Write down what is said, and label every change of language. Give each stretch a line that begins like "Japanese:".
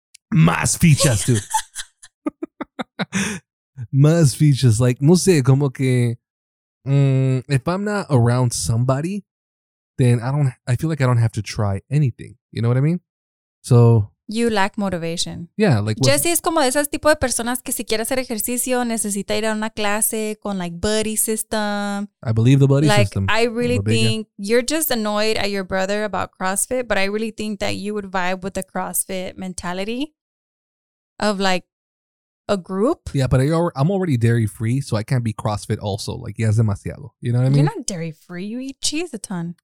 Spanish: Más fichas,
English: dude.
Spanish: Más fichas,
English: like
Spanish: no sé, como que
English: if I'm not around somebody, then I feel like I don't have to try anything. You know what I mean? So you lack motivation. Yeah, like
Spanish: Jesse es como de esas tipo de personas que si quiere hacer ejercicio necesita ir a una clase con
English: like buddy system. I believe the buddy like, system. Like I really think you're just annoyed at your brother about CrossFit, but I really think that you would vibe with the CrossFit mentality of like a group. Yeah, but I'm already dairy free, so I can't be CrossFit also. Like, yes, demasiado. You know what I mean? You're not dairy free. You eat cheese a ton.